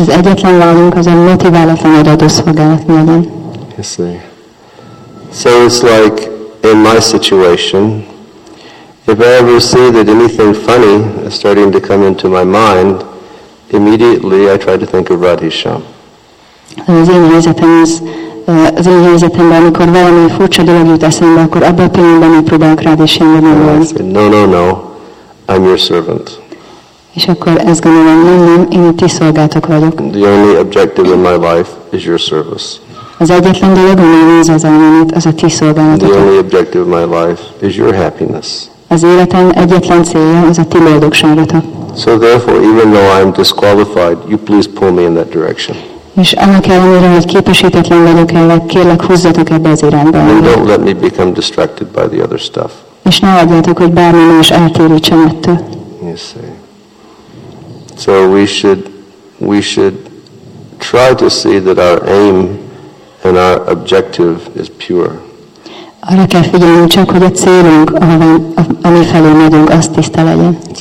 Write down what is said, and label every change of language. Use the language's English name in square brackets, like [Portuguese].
[Hungarian] Az egyetlen valamunk az a motiválatlan adó szolgálat módon. [English] So it's like in my situation, if I ever see that anything funny is starting to come into my mind, immediately I try to think of Radhisham. [Hungarian] Az én helyzetem az, az én helyzetemben, amikor valami furcsa dolog jut eszembe, akkor abban a pillanatban én próbálok Radhisham-ra gondolni. [English] No, I'm your servant. [Hungarian] És akkor ezt gondolom, nem, én ti szolgátok vagyok. [English] The only objective in my life is your service. [Hungarian] Az egyetlen dolog, ami néz az elmémet, az a ti szolgálatok. [English] The only objective of my life is your happiness. [Hungarian] Az életem egyetlen célja, az a ti boldogságotok. [English] So therefore, even though I'm disqualified, you please pull me in that direction. [Hungarian] És annak ellenére, hogy képesítetlen vagyok, kérlek húzzatok ebbe az irányba. [English] And don't let me become distracted by the other stuff. [Hungarian] És ne adjátok, hogy bármi más eltérítsen ettől. [English] Yes, sir. So we should try to see that our aim and our objective is pure. [Hungarian] Arra kell figyelnünk csak, hogy a célunk, ami felé megyünk, az tiszta legyen.